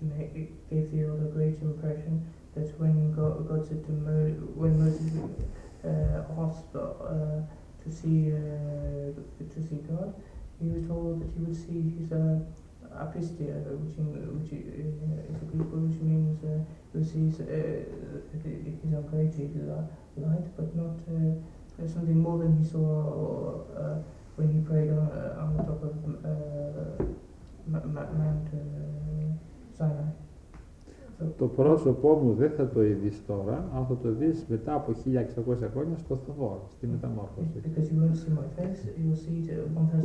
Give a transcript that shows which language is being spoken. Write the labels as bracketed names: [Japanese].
[English] It gave the other great impression that when God said to Moses asked to see God, he was told that he would see his apistia, which is a Greek word which means he would see his own created light, but not something more than he saw when he prayed on the top of Mount Sinai. [Greek] Το πρόσωπό μου δεν θα το είδεις τώρα, αλλά θα το δεις μετά από 1600 χρόνια στο Θαβόρο, στη Μεταμόρφωση. [English] Because you won't see my face, you'll see it 1,000